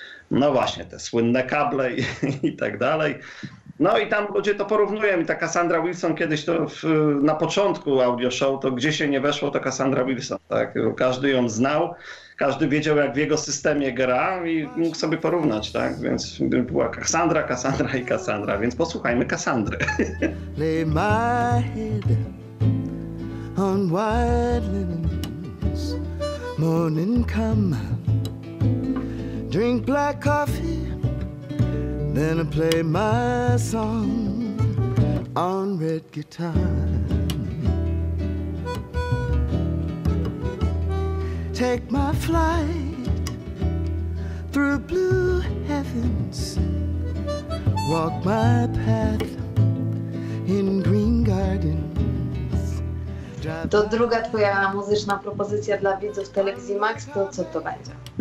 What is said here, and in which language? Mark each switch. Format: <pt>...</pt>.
<pl>No właśnie, te słynne kable i tak dalej. No i tam ludzie to porównują. I ta Cassandra Wilson kiedyś to na początku audio show, to gdzie się nie weszło, to Cassandra Wilson. Tak? Każdy ją znał, każdy wiedział, jak w jego systemie gra i mógł sobie porównać. Tak? Więc była Cassandra, Cassandra i Cassandra. Więc posłuchajmy Cassandry.</pl> <en>Lay my head on wide limbs. Morning come. Drink black coffee, then I play my song on red guitar. Take my flight through blue heavens, walk my path in green gardens.</en> <pl>To druga twoja muzyczna propozycja dla widzów telewizji Max, to co to będzie?</pl>